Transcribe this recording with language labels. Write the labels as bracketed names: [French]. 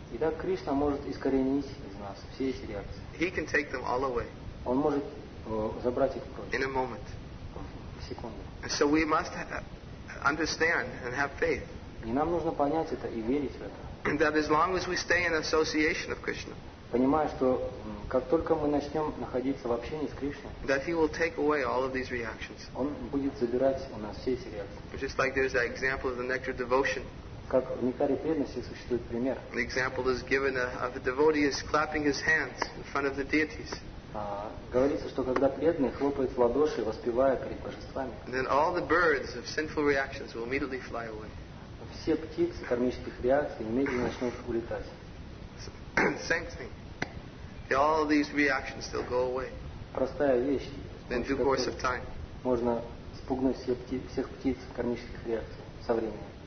[Russian] Итак, Кришна может искоренить из нас все эти реакции. [English] He can take them all away. [Russian] Он может забрать их прочь. [English] In a moment. [Russian] В секунду. [English] So we must understand and have faith. [Russian] И нам нужно понять это и верить в это. [English] That as long as we stay in association of Krishna. [Russian] Понимая, что как только мы начнем находиться в общении с Кришной, [English] that he will take away all of these reactions. [Russian] Он будет забирать у нас все эти реакции. [English] Just like there's that example of the nectar devotion. [Russian] Как в нектаре преданности существует пример. [English] The example is given of a devotee is clapping his hands in front of the deities. [Russian] Говорится, что когда преданный хлопает в ладоши, воспевая перед божествами, [English] then all the birds of sinful reactions will immediately fly away. [Russian] Все птицы кармических реакций немедленно начнут улетать. [English] Same thing. All these reactions still go away. [Russian] Простая вещь. [English] In due course of time. [Russian] Можно спугнуть всех птиц кармических реакций со временем.